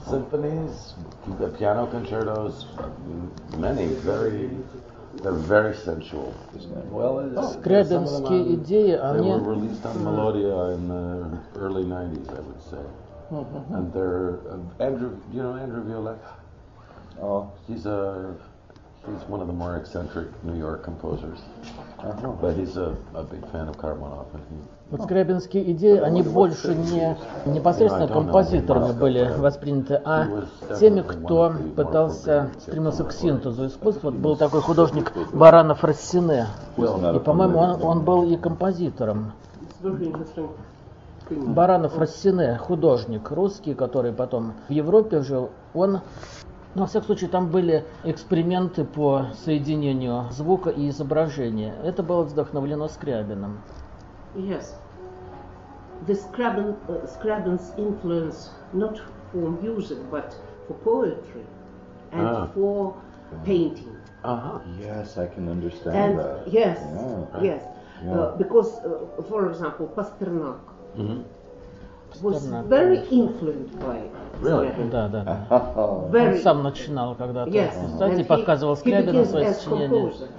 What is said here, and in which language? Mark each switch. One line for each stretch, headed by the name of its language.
English: Symphonies, the piano concertos, many, very, they're very sensual.
Russian: Well, Скрябинские идеи, они...
English: They were released on Melodia in the early 90s, I would say. Mm-hmm. And they're, Andrew Violette? Oh. He's one of the more eccentric New York composers. Uh-huh. But he's a big fan of Karamanov.
Russian: Вот Скрябинские идеи, они больше не непосредственно композиторами были восприняты, а теми, кто стремился к синтезу искусства. Вот был такой художник Баранов Рассене, и, по-моему, он был и композитором. Баранов Рассене, художник русский, который потом в Европе жил, он... Но, во всяком случае, там были эксперименты по соединению звука и изображения. Это было вдохновлено Скрябином.
English: Yes. The Scriabin's influence not for music, but for poetry and for painting. Yes, I can understand and that. Yes, yes. Yeah. Because, for example, Pasternak was very influenced by Скрябин. Really?
Russian: Да. Very... Он сам начинал когда-то.
English: Yes.
Russian: Кстати, показывал Скрябину свои сочинения.